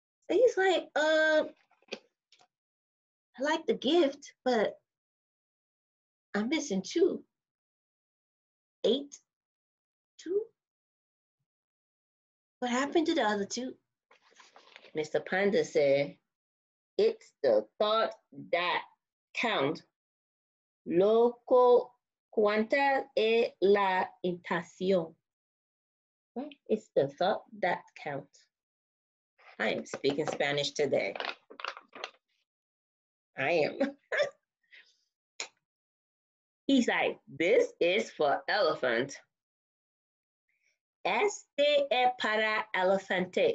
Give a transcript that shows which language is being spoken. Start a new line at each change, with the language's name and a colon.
English: So he's like, I like the gift, but I'm missing 2. 8? 2? What happened to the other 2? Mr. Panda said, it's the thought that counts.
Spanish: Loco, ¿cuánta es la habitación?
English: It's the thought that counts. I am speaking Spanish today. I am. He's like, this is for elephant.
Spanish: Este es para elefante.